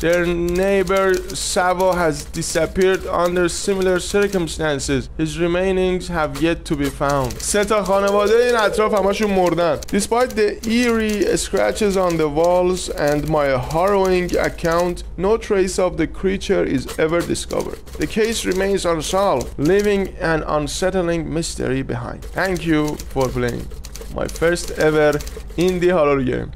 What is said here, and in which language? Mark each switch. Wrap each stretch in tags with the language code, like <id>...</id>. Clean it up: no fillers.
<en>Their neighbor Savo has disappeared under similar circumstances. His remains have yet to be found.</en> <fa>سه تا خانواده این اطراف همشون مردن.</fa> <en>Despite the eerie scratches on the walls and my harrowing account, no trace of the creature is ever discovered. The case remains unsolved, leaving an unsettling mystery behind. Thank you for playing my first ever indie horror game.</en>